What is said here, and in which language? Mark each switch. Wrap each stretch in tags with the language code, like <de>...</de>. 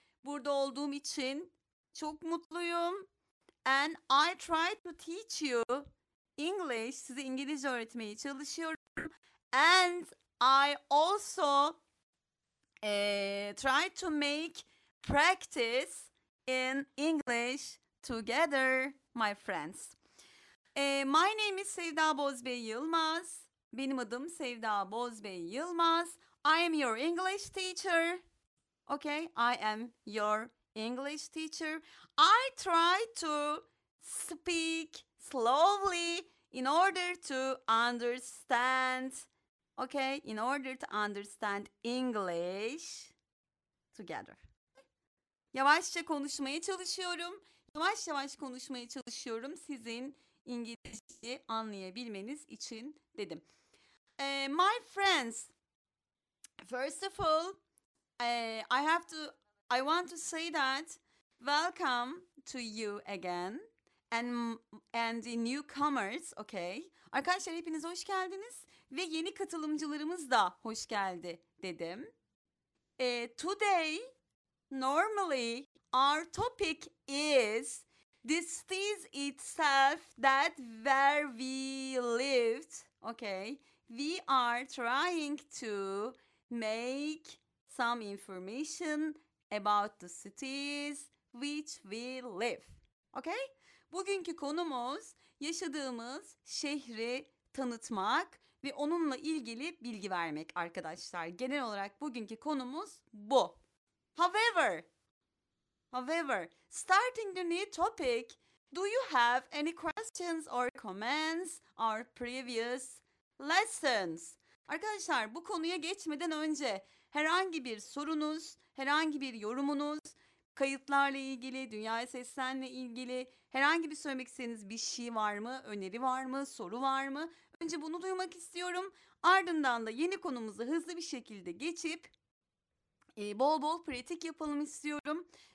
<tr>Burada olduğum için çok mutluyum.</tr> <en>And I try to teach you English.</en> <tr>Sizi İngilizce öğretmeye çalışıyorum.</tr> <en>And I also try to make practice in English together, my friends. My name is Sevda Bozbey Yılmaz.</en> <tr>Benim adım Sevda Bozbey Yılmaz.</tr> <en>I am your English teacher. Okay, I am your English teacher. I try to speak slowly in order to understand, okay, in order to understand English together.</en> <tr>Yavaşça konuşmaya çalışıyorum. Yavaş yavaş konuşmaya çalışıyorum sizin İngilizceyi anlayabilmeniz için dedim.</tr> <en>My friends, first of all, I want to say that welcome to you again and the newcomers, okay?</en> <tr>Arkadaşlar hepiniz hoş geldiniz ve yeni katılımcılarımız da hoş geldi dedim.</tr> <en>Today, normally, our topic is disease itself that where we lived, okay? We are trying to make some information about the cities which we live. Okay?</en> <tr>Bugünkü konumuz yaşadığımız şehri tanıtmak ve onunla ilgili bilgi vermek arkadaşlar. Genel olarak bugünkü konumuz bu.</tr> <en>However, starting the new topic, do you have any questions or comments or previous lessons?</en> <tr>Arkadaşlar bu konuya geçmeden önce herhangi bir sorunuz, herhangi bir yorumunuz, kayıtlarla ilgili, Dünya Sesten'le ilgili herhangi bir söylemek istediğiniz bir şey var mı, öneri var mı, soru var mı? Önce bunu duymak istiyorum. Ardından da yeni konumuza hızlı bir şekilde geçip bol bol pratik yapalım istiyorum.</tr>